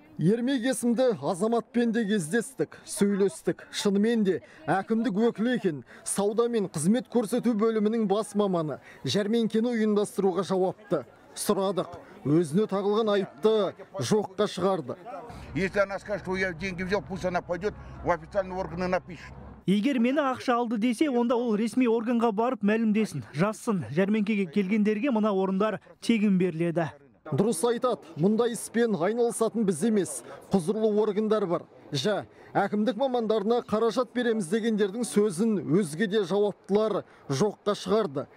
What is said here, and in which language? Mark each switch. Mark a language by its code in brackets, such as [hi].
[kk] Ермек есімді азаматпен де кездестік, сөйлестік, шынымен де әкімдік өкілі екен, сауда мен қызмет көрсету бөлімінің бас маманы, жәрменкені ұйымдастыруға жауапты. Сұрадық, өзіне тағылған айыпты жоққа шығарды. [ru] Если она скажет, что я деньги взял, пусть она пойдет в официальные органы напишет. [kk] Егер мені ақша алды десе, онда ол ресми органға барып мәлімдесін. Жассын, жәрменкеге келгендерге мына орындар тегін беріледі. Дұрыс айтады, мұндай іспен айналысатын біз емес, құзырлы органдар бар. Жа, әкімдік мамандарына қаражат береміз дегендердің сөзін өзгеде жауаптылар жоққа шығарды.